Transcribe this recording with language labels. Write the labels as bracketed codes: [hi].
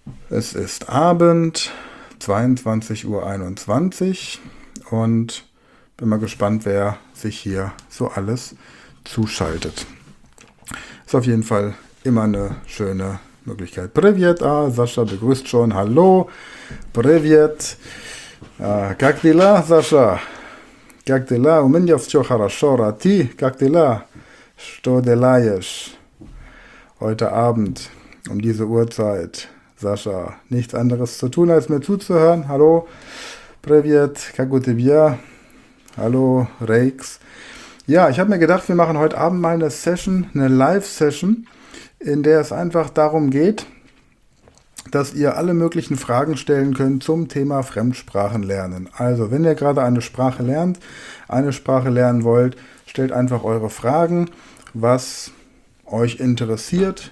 [de] Es ist Abend, 22.21 Uhr und bin mal gespannt, wer sich hier so alles zuschaltet. Ist auf jeden Fall immer eine schöne Möglichkeit. Привет, Sascha begrüßt schon. Hallo, привет. [ru] Как дела, Sascha? Как дела? У меня все хорошо, а ты? Как дела? Что делаешь? [de] Heute Abend um diese Uhrzeit, Sascha, nichts anderes zu tun, als mir zuzuhören. [ru] Hallo, привет, как у тебя? [de] Hallo, Rex. Ja, ich habe mir gedacht, wir machen heute Abend mal eine Session, eine Live-Session, in der es einfach darum geht, dass ihr alle möglichen Fragen stellen könnt zum Thema Fremdsprachen lernen. Also, wenn ihr gerade eine Sprache lernt, eine Sprache lernen wollt, stellt einfach eure Fragen, was euch interessiert.